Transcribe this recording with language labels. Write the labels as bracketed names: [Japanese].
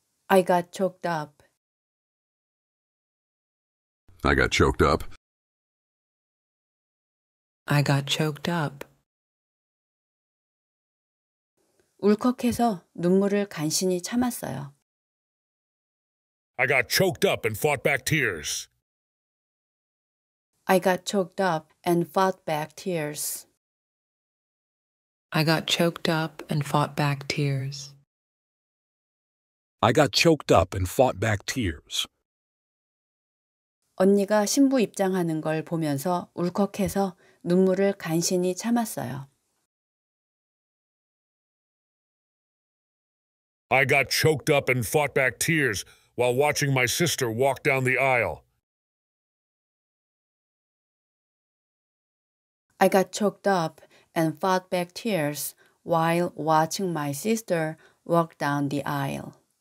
[English] I got choked up. I got choked up. I got choked up. [Korean] 울컥해서 눈물을 간신히 참았어요. [English] I got choked up and fought back tears. I got choked up and fought back tears. I got choked up and fought back tears. I got choked up and fought back tears. [Korean] 언니가 신부 입장하는 걸 보면서 울컥해서 눈물을 간신히 참았어요. [English] I got choked up and fought back tears while watching my sister walk down the aisle. I got choked up and fought back tears while watching my sister walk down the aisle.